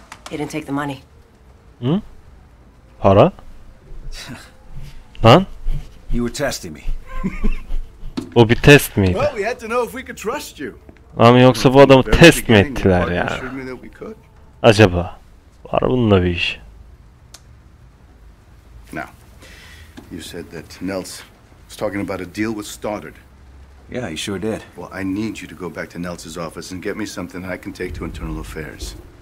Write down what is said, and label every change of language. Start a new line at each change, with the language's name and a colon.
English: He didn't take the money.
Turkish: Hı? Para? Lan?
English: You were testing me.
Turkish: O bir test miydi?
English: Well, we had to know if we could trust you.
Turkish: Ama yoksa bu adamı test mi ettiler ya? Acaba var bununla bir iş?
English: Now, you said that Nels was talking about a deal with Stoddard. Yeah, he sure did. Well, I need you to go back to Nels's office and get me something I can take to internal affairs.